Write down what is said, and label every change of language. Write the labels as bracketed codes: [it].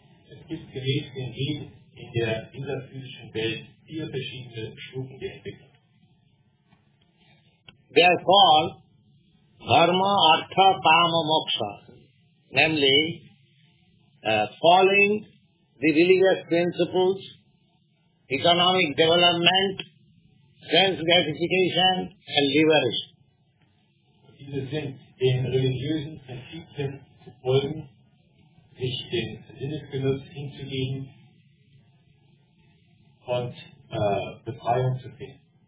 [de] Es gibt gemäß dem Wesen in der innerphysischen Welt vier verschiedene Stufen der Entwicklung. [en] They are called dharma, artha, kama, moksha, namely following the religious principles, economic development, sense gratification, and liberation. [de] Diese sind den religiösen Prinzipien zu folgen, sich den Sinnesgenuss hinzugeben und Befreiung zu finden.